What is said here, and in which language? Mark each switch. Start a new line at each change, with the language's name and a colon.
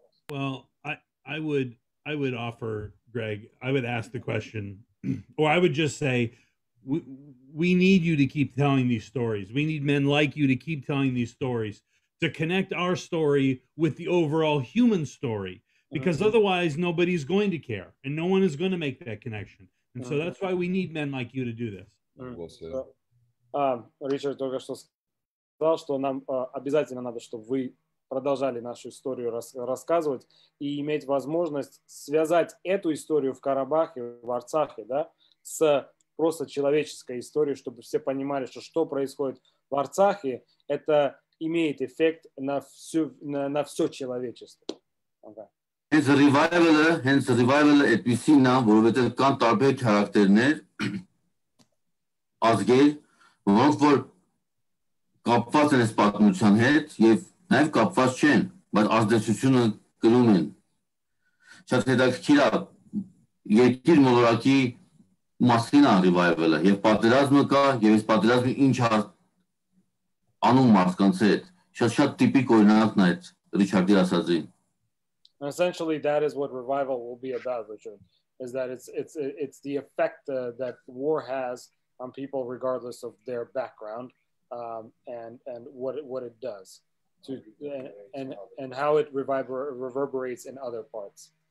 English: Well, I would offer, Greg, I would ask the question, or I would just say, we need you to keep telling these stories. We need men like you to keep telling these stories to connect our story with the overall human story, because otherwise nobody's going to care and no one is going to make that connection. And so that's why we need men like you to do this.
Russian: Ричард только что сказал, что нам обязательно надо, чтобы вы продолжали нашу историю рассказывать и иметь возможность связать эту историю в Карабахе, в Арцахе, да, с просто человеческой историей, чтобы все понимали, что что происходит в Арцахе, это имеет эффект на все человечество.
English: Hence the revival that we see now,
Armenian: որ մենք կան տարբեր քարակտերներ ազգեր, որոնք որ կապված են այս պատմության հետ եւ նաեւ կապված չեն, բայց ազդեցությունը կրում են։ Շատ հետաքրքիր է երկիր մոլորակի մասին revival-ը եւ պատերազմը կա եւ այս պատերազմը ինչ անում մարդկանց հետ։ Շատ տիպիկ օրինակն է այդ Ռիչարդի ասածի։
English: Essentially, that is what revival will be about, Richard, is that it's the effect that war has on people, regardless of their background, and what it does to and how it reverberates in other parts.